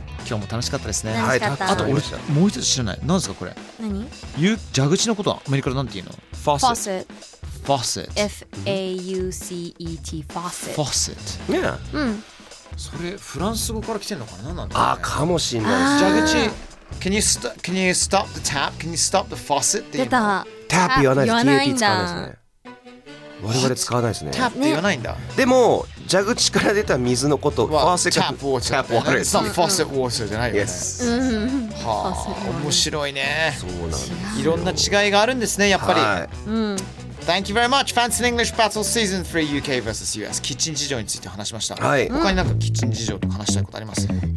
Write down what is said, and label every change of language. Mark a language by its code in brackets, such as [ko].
[ja] 今日も楽しかったですね。楽しかった。あと俺もう一つ知らない、何ですかこれ。何、蛇口のことはアメリカでなんて言うの。 [en] ファーセット、ファーセット、 F-A-U-C-E-T、 ファーセット、ファーセット、 Yeah、 [ja] うん、それフランス語から来てるのかな、何なんだろう、ね、あーかもしれない。 [en] 蛇口、Can you stop the tap? Can you stop the faucet? [ja] 出た。タップ言わないです。 TAP 使わないですね。我々使わないですね。タップって言わないんだ。でも、蛇口から出た水のこと、 [en] well, ファーセット。タップウォーター。タップウォーター。 It's not faucet water [ja] じゃないよね。 [en] Yes. [ja] はぁ、面白いね。そうなんだ。いろんな違いがあるんですね、やっぱり。はい、うん。 [en] Thank you very much. Fancy English Battle Season 3 UK vs. US. [ja] キッチン事情について話しました。はい。他になんかキッチン事情とか話したいことあります？